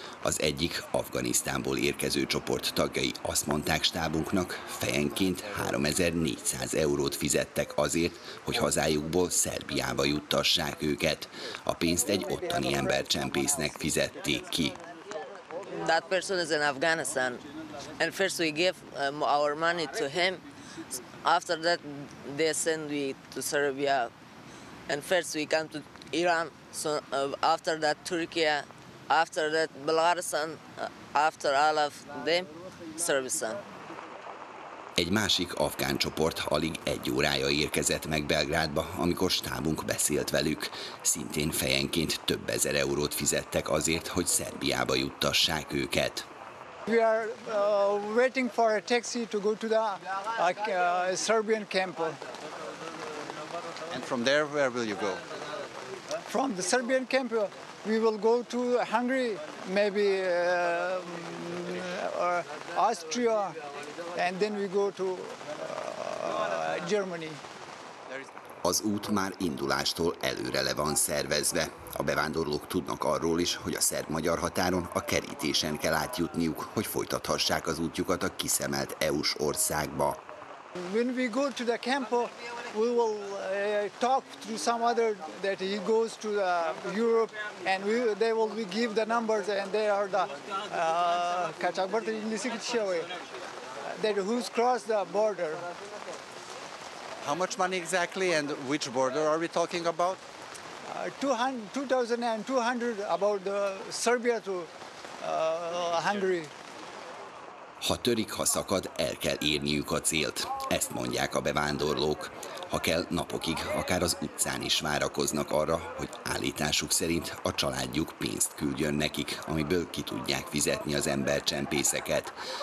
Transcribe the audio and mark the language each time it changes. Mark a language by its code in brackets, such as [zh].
[hu] Az egyik Afganisztánból érkező csoport tagjai azt mondták stábunknak, fejenként 3400 eurót fizettek azért, hogy hazájukból Szerbiába juttassák őket. A pénzt egy ottani embercsempésznek fizették ki. [en] That person is in Afghanistan. And first we give our money to him. After that they send we to Serbia. And first we come to Iran, so after that Turkey, after that Belarus, after all of them Serbian. [hu] Egy másik afgán csoport alig egy órája érkezett meg Belgrádba, amikor stábunk beszélt velük. Szintén fejenként több ezer eurót fizettek azért, hogy Szerbiába juttassák őket. [en] We are waiting for a taxi to go to the Serbian camp. And from there, where will you go? From the Serbian camp, we will go to Hungary, maybe or Austria. And then we go to Germany. [hu] Az út már indulástól előre le van szervezve. A bevándorlók tudnak arról is, hogy a szerb-magyar határon a kerítésen kell átjutniuk, hogy folytathassák az útjukat a kiszemelt EU-s országba. [en] When we go to the camp, we will talk to some other that he goes to Europe, and they will give the numbers, and they are the kacsakbart in the Sikitsiawe. That who's crossed the border. How much money exactly and which border are we talking about? 2,200 about the Serbia to Hungary. [hu] Ha törik, ha szakad, el kell érniük a célt. Ezt mondják a bevándorlók. Ha kell, napokig, akár az utcán is várakoznak arra, hogy állításuk szerint a családjuk pénzt küldjön nekik, amiből ki tudják fizetni az embercsempészeket.